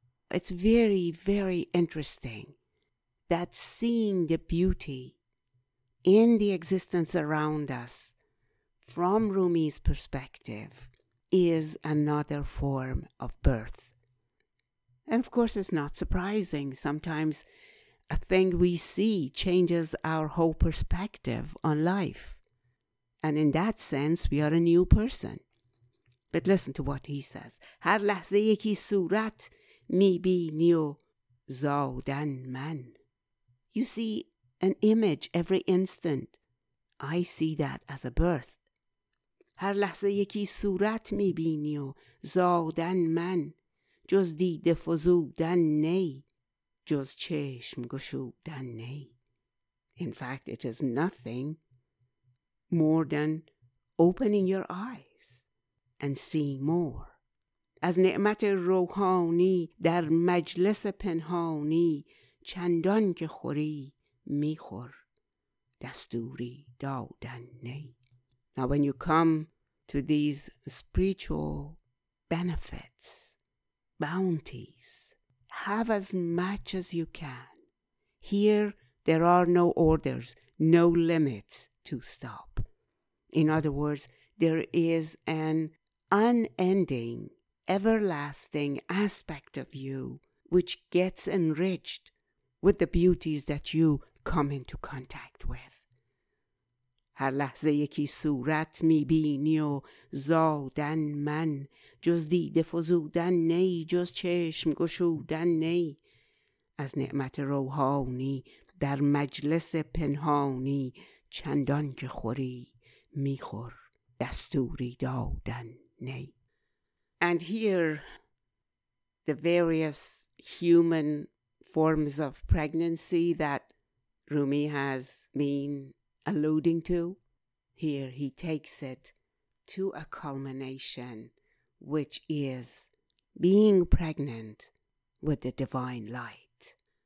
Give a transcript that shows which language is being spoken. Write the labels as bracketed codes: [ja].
[en] It's very, very interesting that seeing the beauty in the existence around us from Rumi's perspective is another form of birth. And of course, it's not surprising. Sometimes a thing we see changes our whole perspective on life. And in that sense, we are a new person. But listen to what he says. [fa] هر لحظه یکی صورت میبینی و زادن من. [en] You see an image every instant. I see that as a birth. [fa] هر لحظه یکی صورت میبینی و زادن من. جز دیده فزودن نی. جز چشم گشودن نی. [en] In fact, it is nothing more than opening your eyes and seeing more. [fa] از نعمت روحانی در مجلس پنهانی چندان که خوری میخور دستوری دادن نی. [en] Now when you come to these spiritual benefits, bounties, have as much as you can. Here there are no orders, no limits to stop. In other words, there is an unending, everlasting aspect of you which gets enriched with the beauties that you come into contact with. [fa] هر لحظه یکی صورت میبینی و زادن من جز دیده فزودن نی جز چشم گشودن نی از نعمت روحانی در مجلس پنهانی چندان که خوری میخور دستوری دادن نی. [en] And here, the various human forms of pregnancy that Rumi has been alluding to, here he takes it to a culmination, which is being pregnant with the divine light,